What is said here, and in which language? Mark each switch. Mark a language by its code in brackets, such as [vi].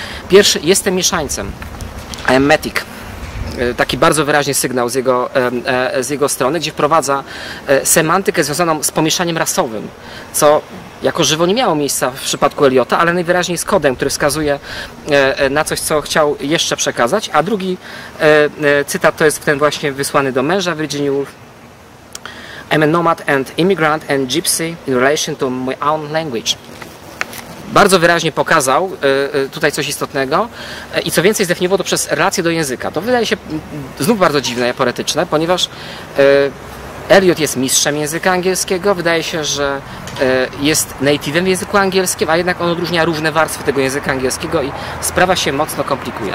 [pl] Pierwszy: jestem mieszańcem. [en] I am Matic. [pl] Taki bardzo wyraźny sygnał z jego strony, gdzie wprowadza semantykę związaną z pomieszaniem rasowym, co jako żywo nie miało miejsca w przypadku Eliota, ale najwyraźniej jest kodem, który wskazuje na coś, co chciał jeszcze przekazać. A drugi cytat to jest ten właśnie wysłany do męża Virginia Woolf. [en] I'm a nomad and immigrant and gypsy in relation to my own language. [pl] Bardzo wyraźnie pokazał tutaj coś istotnego i co więcej zdefiniował to przez relację do języka. To wydaje się znów bardzo dziwne i poetyczne, ponieważ Eliot jest mistrzem języka angielskiego, wydaje się, że jest native'em w języku angielskim, a jednak on odróżnia różne warstwy tego języka angielskiego i sprawa się mocno komplikuje.